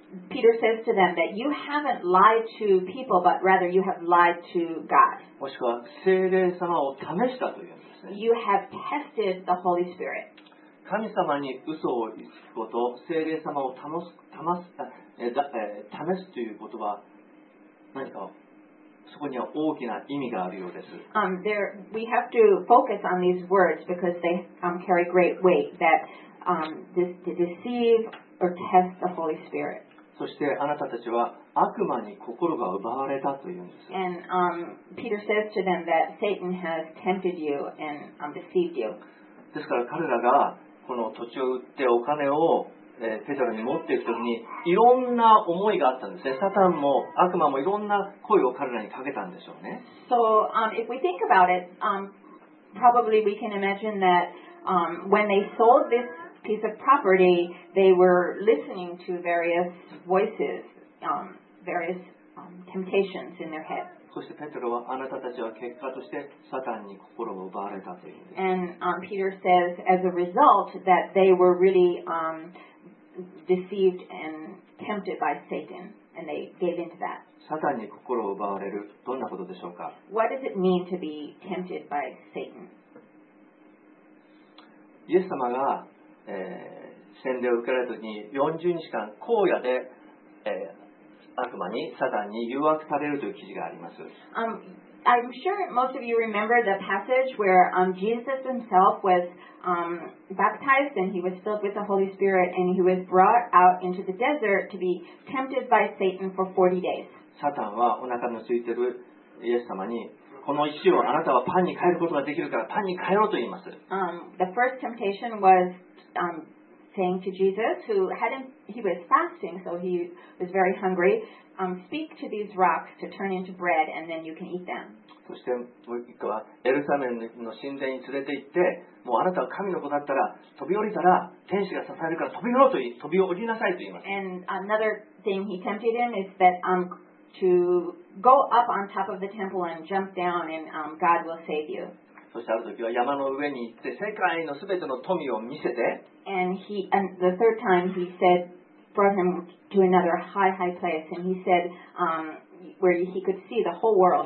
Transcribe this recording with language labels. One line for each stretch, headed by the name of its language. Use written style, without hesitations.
English: Peter says to them that you haven't lied to people, but rather you have lied to God.
Japanese: もしくは聖霊様を試したというんですね。
English: You have tested the Holy Spirit.
Japanese: 神様に嘘をつくこと、聖霊様を試すということは何か、そこには大きな意味があるようです。
English: We have to focus on these words because they carry great weight that to deceive or test the Holy Spirit.
Japanese: そしてあなたたちは悪魔に心が奪われたというんです。
English: And Peter says to them that Satan has tempted you and deceived you.
Japanese: ですから彼らがこの土地を売ってお金を、ペテロに持っていくときにいろんな思いがあったんですね。サタンも悪魔もいろんな声を彼らにかけたんでしょうね。
English: So if we think about it, probably we can imagine that when they sold thispiece of property, they were listening to various voices, various temptations in their head.
Japanese: そしてペテロは、あなたたちは結果としてサタンに心を奪われたという。
English: And Peter says, as a result, that they were really deceived and tempted by Satan, and they gave into that.
Japanese: サタンに心を奪われる、どんなことでしょうか?
English: What does it mean to be tempted by Satan?
Japanese: イエス様が洗礼を受けられた時に40日間荒野で、悪魔にサタンに誘惑されるという記事があります。
English: I'm sure most of you remember the passage where Jesus himself was baptized and he was filled with the Holy Spirit and he was brought out into the desert to be tempted by Satan for 40 days.
Japanese: サタンはお腹の空いているイエス様にこの石をあなたはパンに変えることができるからパンに変えろと言います。
English: The first temptation was saying to Jesus, who hadn't, he was fasting, so he was very hungry, speak to these rocks to turn into bread, and then you can eat them.
Japanese: そしてもう一個はエルサレムの神殿に連れて行って、もうあなたは神の子だったら飛び降りたら天使が支えるから飛び降ろうと言い、飛び降りなさいと言います。
English: And another thing he tempted him is that to go up on top of the temple and jump down and God will save you.
Japanese: そしてある時は山の上に行って世界のすべての富を見せて。
English: And he, and the third time he said, brought him to another high, high place and he said, where he could see the whole world.